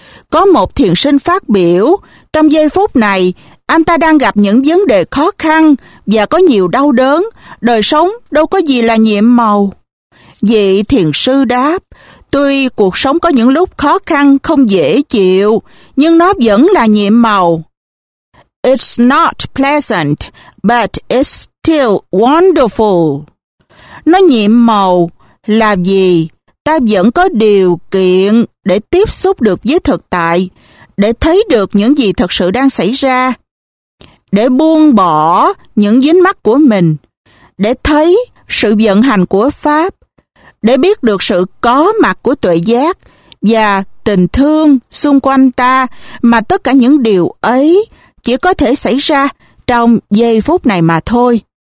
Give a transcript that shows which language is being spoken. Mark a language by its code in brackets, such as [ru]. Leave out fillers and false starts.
[vi] Có một thiền sinh phát biểu, trong giây phút này, anh ta đang gặp những vấn đề khó khăn và có nhiều đau đớn, đời sống đâu có gì là nhiệm màu. Vị thiền sư đáp, tuy cuộc sống có những lúc khó khăn không dễ chịu, nhưng nó vẫn là nhiệm màu. [en] It's not pleasant, but it's still wonderful. [vi] Nó nhiệm màu là vì ta vẫn có điều kiện để tiếp xúc được với thực tại, để thấy được những gì thật sự đang xảy ra, để buông bỏ những dính mắc của mình, để thấy sự vận hành của Pháp, để biết được sự có mặt của tuệ giác và tình thương xung quanh ta, mà tất cả những điều ấy chỉ có thể xảy ra trong giây phút này mà thôi.